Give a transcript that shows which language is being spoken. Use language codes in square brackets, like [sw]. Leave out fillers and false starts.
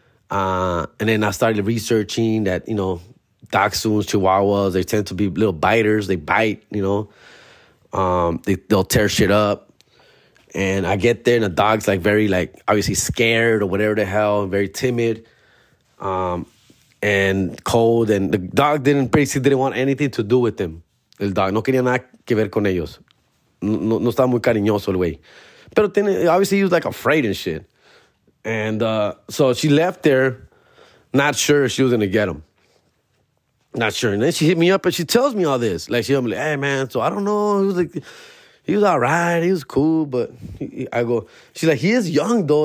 [en] And then I started researching that, you know, Dachshunds, Chihuahuas, they tend to be little biters. They bite, you know. They'll tear shit up. And I get there, and the dog's, like, very, like, obviously scared or whatever the hell, very timid and cold. And the dog basically didn't want anything to do with them. [es] El [en] dog [es] no quería nada que ver con ellos. No estaba muy cariñoso el güey. Pero [en] obviously he was, like, afraid and shit. And so she left there, not sure if she was going to get him. Not sure. And then she hit me up and she tells me all this. Like, she'll be like, hey, man, so I don't know. He was like, he was all right. He was cool. But I go, she's like, he is young, though.